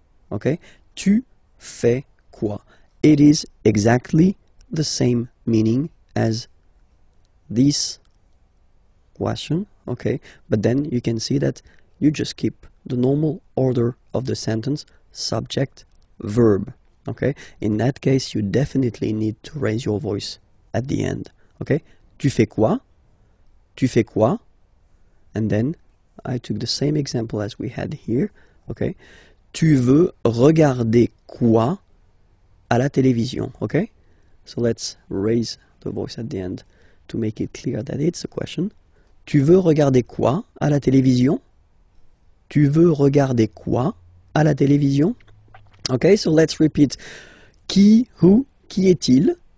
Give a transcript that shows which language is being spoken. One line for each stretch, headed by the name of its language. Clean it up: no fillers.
English: Okay,
French: tu fais quoi?
English: It is exactly the same meaning as this question, okay, but then you can see that you just keep the normal order of the sentence, subject, verb, okay. In that case, you definitely need to raise your voice at the end, okay.
French: Tu fais quoi? Tu fais quoi?
English: And then I took the same example as we had here, okay.
French: Tu veux regarder quoi à la télévision, okay.
English: So let's raise the voice at the end to make it clear that it's a question.
French: Tu veux regarder quoi à la télévision? Tu veux regarder quoi à la télévision?
English: Okay, so let's repeat. Qui, who,
French: qui est-il?